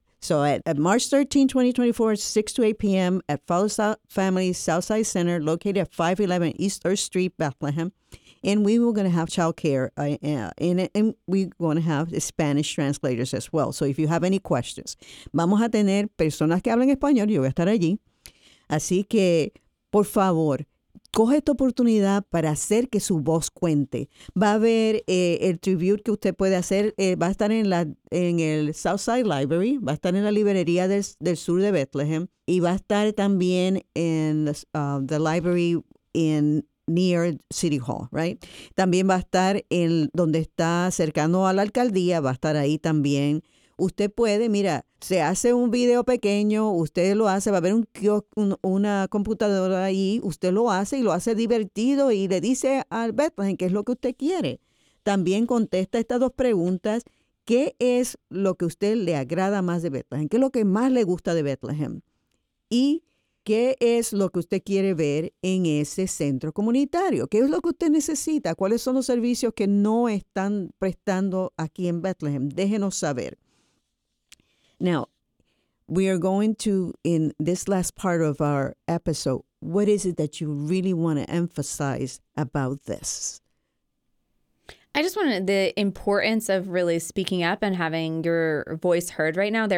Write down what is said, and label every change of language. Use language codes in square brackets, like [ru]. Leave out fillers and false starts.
[en] So at March 13, 2024, 6 to 8 p.m. at Fowler Family Southside Center, located at 511 East 3rd Street, Bethlehem, and we were going to have child care, and we're going to have Spanish translators as well. So if you have any questions, [es] vamos a tener personas que hablen español, yo voy a estar allí. Así que, por favor, coge esta oportunidad para hacer que su voz cuente. Va a haber el tribute que usted puede hacer, va a estar en el Southside Library, va a estar en la librería del sur de Bethlehem, y va a estar también en [en] the library in near City Hall, right? [es] También va a estar en donde está cercano a la alcaldía, va a estar ahí también. Usted puede, mira, se hace un video pequeño, usted lo hace, va a haber una computadora ahí, usted lo hace y lo hace divertido y le dice al Bethlehem qué es lo que usted quiere. También contesta estas dos preguntas: ¿qué es lo que a usted le agrada más de Bethlehem? ¿Qué es lo que más le gusta de Bethlehem? Y ¿qué es lo que usted quiere ver en ese centro comunitario? ¿Qué es lo que usted necesita? ¿Cuáles son los servicios que no están prestando aquí en Bethlehem? Déjenos saber. [en] Now, we are going to, in this last part of our episode, what is it that you really want to emphasize about this? I just wanted the importance of really speaking up and having your voice heard right now.